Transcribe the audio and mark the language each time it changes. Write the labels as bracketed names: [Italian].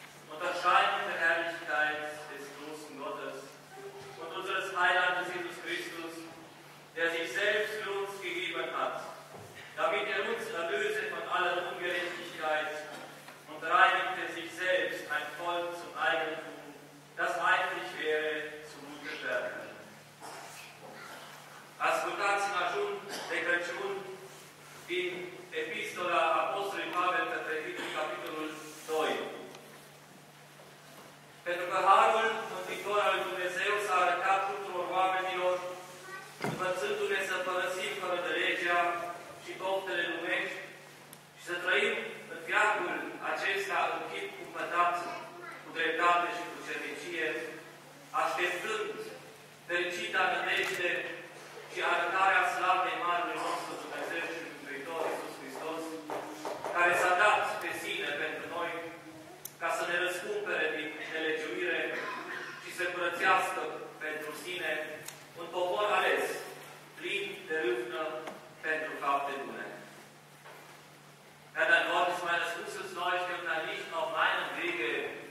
[German] und das Scheinen der Herrlichkeit des großen Gottes und unseres Heilandes Jesus Christus, der sich selbst für uns gegeben hat, damit er uns erlöse von aller Ungerechtigkeit und reinigte sich selbst ein Volk zum Eigentum, das eifrig wäre, zu guten Werken. [Romanian] Ascultați în ajun de Crăciun din Epistola Apostolului Pavel către Titus, capitolul 2. Pentru că Harul Mântuitor al lui Dumnezeu s-a arătat tuturor oamenilor, învățându-ne să părăsim fără de legea și poftele lumești și să trăim în viacul acesta în chip cumpătat cu dreptate și cu cernicie, așteptând fericita nădejde și arătarea slavei Marelui nostru Dumnezeu și Mântuitor Iisus Hristos, care s-a dat pe sine pentru noi ca să ne răscumpere din nelegiuire și să curățească pentru sine un popor ales, plin de râvnă pentru fapte bune. [German] Ja, dein Wort ist meines Fußes Leuchte und dein Licht auf meinem Wege.